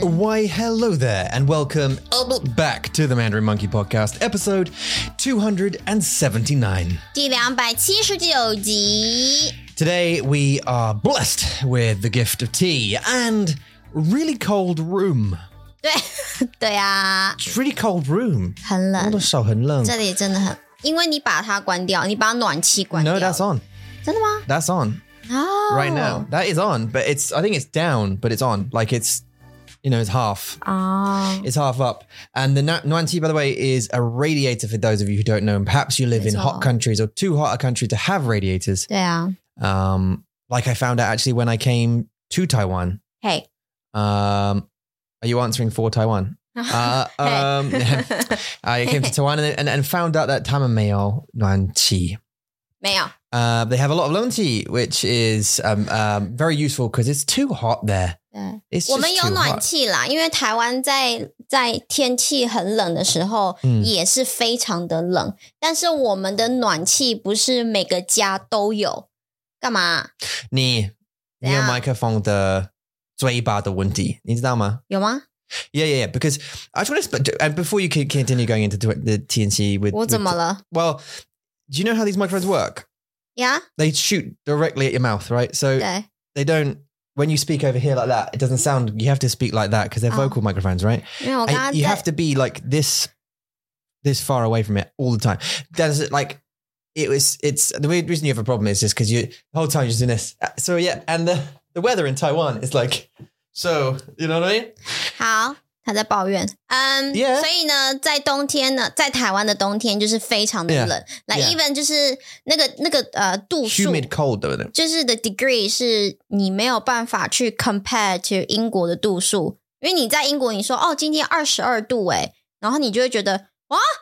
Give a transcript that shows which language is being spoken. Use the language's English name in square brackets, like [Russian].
[English] Why, hello there, and welcome back to the Mandarin Monkey Podcast, episode 279. [Chinese] 279集。 [English] Today we are blessed with the gift of tea and really cold room. [Chinese] 对啊。 [English] It's really cold room. [Chinese] 很冷。我的手很冷。这里真的很，因为你把它关掉，你把暖气关掉。 [English] No, that's on. [Chinese] 真的吗？ [English] That's on. Oh. Right now. That is on, but it's, I think it's down, but it's on. Like it's, you know, it's half. Oh. It's half up. And the Nuan-Ti, by the way, is a radiator for those of you who don't know. And perhaps you live in hot countries or too hot a country to have radiators. Yeah. Like I found out actually when I came to Taiwan. Hey. Are you answering for Taiwan? hey. I came to Taiwan and found out that [Chinese] 他们没有暖气。 [English] They have a lot of lone tea, which is very useful because it's too hot there. It's just [Chinese] 我们有暖气啦，因为台湾在天气很冷的时候也是非常的冷，但是我们的暖气不是每个家都有。干嘛？你有麦克风的嘴巴的问题，你知道吗？有吗？ Yeah. [English] Because I just want to, and before you continue going into the TNT with [Chinese] 我怎么了？ [English] Well. Do you know how these microphones work? Yeah. They shoot directly at your mouth, right? So they don't, when you speak over here like that, it doesn't sound, you have to speak like that because they're vocal microphones, right? You have to be like this far away from it all the time. Does it like, it's the weird reason you have a problem is just because you, the whole time you're just doing this. So yeah, and the weather in Taiwan is like, so, you know what I mean? [Chinese] 好。他在抱怨所以呢在冬天呢在台湾的冬天就是非常的冷 [English] even [Chinese] 就是那个度数 [English] humid cold [Chinese] 对不对就是 [English] the degree [Chinese] 是你没有办法去 [English] compare to [Chinese] 英国的度数因为你在英国你说哦今天22度诶然后你就会觉得哇